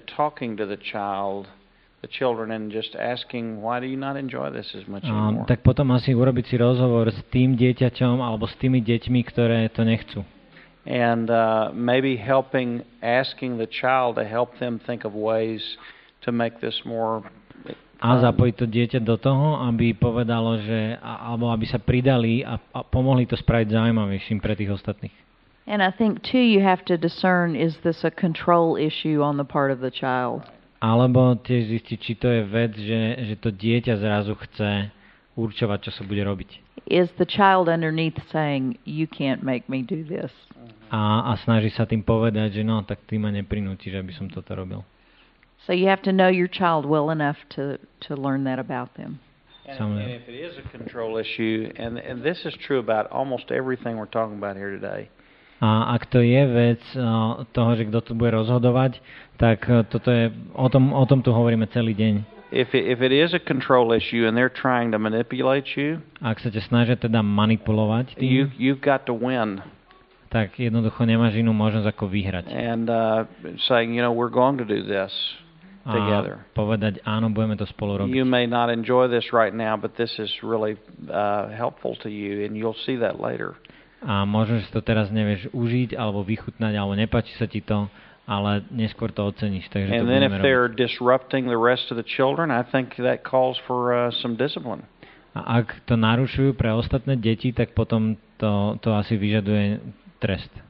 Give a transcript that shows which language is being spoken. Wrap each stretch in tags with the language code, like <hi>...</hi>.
<en>I think then talking to the child the children and just asking why do you not enjoy this as much anymore.</en> <sk>Tak potom asi urobiť si rozhovor s tým dieťaťom alebo s tými deťmi, ktoré to nechcú.</sk> <en>And maybe helping asking the child to help them think of ways to make this more</en> <sk>a zapojiť to dieťa do toho, aby povedalo, že alebo aby sa pridali a pomohli to spraviť zaujímavejším pre tých ostatných.</sk> <en>And I think too you have to discern, is this a control issue on the part of the child?</en> <sk>Alebo tiež zistiť, či to je vec, že to dieťa zrazu chce určovať, čo sa bude robiť.</sk> <en>Is the child underneath saying, you can't make me do this?</en> <sk>A snaží sa tým povedať, že no, tak ty ma neprinútiš, aby som toto robil.</sk> <en>So you have to know your child well enough to learn that about them. And if it is a control issue, and this is true about almost everything we're talking about here today.</en> <sk>A ak to je vec toho, že kto tu bude rozhodovať, tak toto je o tom tu hovoríme celý deň.</sk> <en>If it is a control issue and they're trying to manipulate you,</en> <sk>ak sa te snažia teda manipulovať tým,</sk> <en>you've got to win.</en> <sk>Tak jednoducho nemáš inú možnosť ako vyhrať.</sk> <en>And saying, you know, we're going to do this together.</en> <sk>A povedať, áno, budeme to spolu robiť.</sk> <en>You may not enjoy this right now, but this is really helpful to you and you'll see that later.</en> <sk>A možno, že to teraz nevieš užiť alebo vychutnať, alebo nepáči sa ti to, ale neskôr to oceníš, takže</sk> <en>and</en> <sk>to budeme robiť.</sk> <en>And then if they're disrupting the rest of the children, I think that calls for some discipline.</en> <sk>A ak to narušujú pre ostatné deti, tak potom to asi vyžaduje trest.</sk>